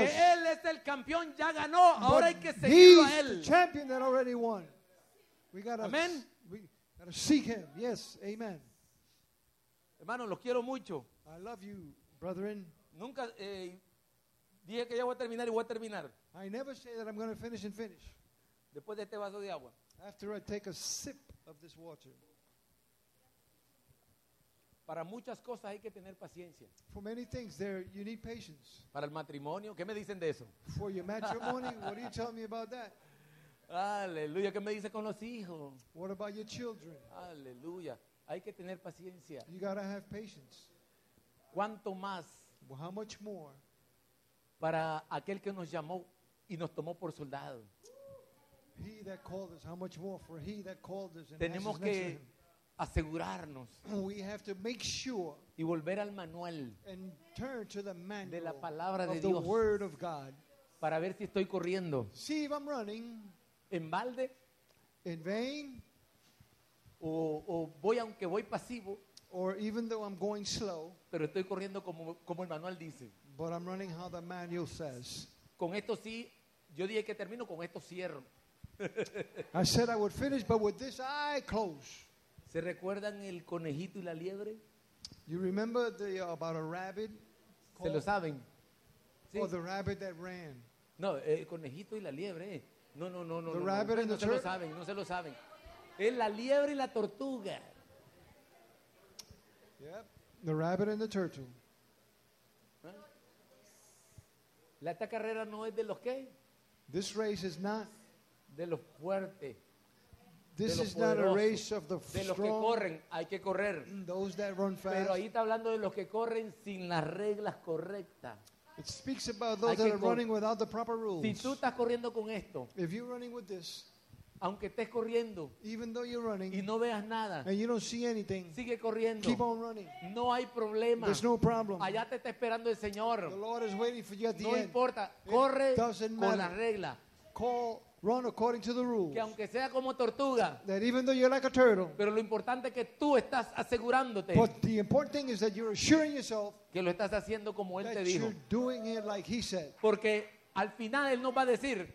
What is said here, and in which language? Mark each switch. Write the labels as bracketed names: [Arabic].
[Spanish] Porque él es el campeón, ya ganó. [English] But [Spanish] ahora hay que seguirlo a él. [English] He's the champion that already won. We gotta. Amen. We gotta seek him. Yes. Amen. [Spanish] Hermano, los quiero mucho. [English] I love you, brethren. [Spanish] Nunca dije que ya voy a terminar y voy a terminar. [English] I never say that I'm going to finish and finish. [Spanish] Después de este vaso de agua. [English] After I take a sip of this water. [Spanish] Para muchas cosas hay que tener paciencia. [English] For many things there you need patience. [Spanish] Para el matrimonio, ¿qué me dicen de eso? [English] For your matrimony, what do you tell me about that? [Spanish] Aleluya, ¿qué me dice con los hijos? [English] What about your children? [Spanish] Aleluya, hay que tener paciencia. [English] You got to have patience. [Spanish] ¿Cuánto más? [English] Well, how much more? [Spanish] Para aquel que nos llamó y nos tomó por soldado. [English] He that called us, how much more for he that called us. [Spanish] Tenemos que asegurarnos. [English] We have to make sure. [Spanish] Y volver al manual. [English] And turn to the manual [Spanish] de la palabra [English] of [Spanish] de Dios. [English] The word of God. [Spanish] Para ver si estoy corriendo. [English] See if I'm running. [Spanish] En balde. [English] In vain. [Spanish] O voy aunque voy pasivo. [English] Or even though I'm going slow. [Spanish] Pero estoy corriendo como el manual dice. [English] But I'm running how the manual says. [Spanish] Con esto sí, yo dije que termino, con esto cierro. [English] I said I would finish, but with this I close. [Spanish] ¿Se recuerdan el conejito y la liebre? [English] You remember the about a rabbit? [Spanish] Se lo saben. [English] ¿Sí? Or the rabbit that ran. [Spanish] No, el conejito y la liebre. No. [English] The [Spanish] no, [English] rabbit [Spanish] no, [English] and [Spanish] no [English] the turtle. [Spanish] No se lo saben, no se lo saben. Es la liebre y la tortuga. [English] Yep. The rabbit and the turtle. [Spanish] Esta carrera no es de los qué. [English] This race is not [Spanish] de los fuertes. [English] This [Spanish] de los [English] is [Spanish] poderosos. [English] Not a race of the strong. [Spanish] De los que corren, hay que correr. [English] Those that run fast. [Spanish] Pero ahí está hablando de los que corren sin las reglas correctas. [English] It speaks about those that are running without the proper rules. [Spanish] Si tú estás corriendo con esto. [English] If you're running with this. [Spanish] Aunque estés corriendo. [English] Even though you're running. [Spanish] Y no veas nada. [English] And you don't see anything. [Spanish] Sigue corriendo. [English] Keep on running. [Spanish] No hay problema. [English] There's no problem. [Spanish] Allá te está esperando el Señor. [English] The Lord is waiting for you at the [Spanish] no No importa. Corre con la regla. [English] Run according to the rules. [Spanish] Que aunque sea como tortuga. [English] That even though you're like a turtle. [Spanish] Pero lo importante es que tú estás asegurándote. [English] But the important thing is that you're assuring yourself. [Spanish] Que lo estás haciendo como Él te dijo. [English] That you're doing it like He said. [Spanish] Porque al final Él nos va a decir.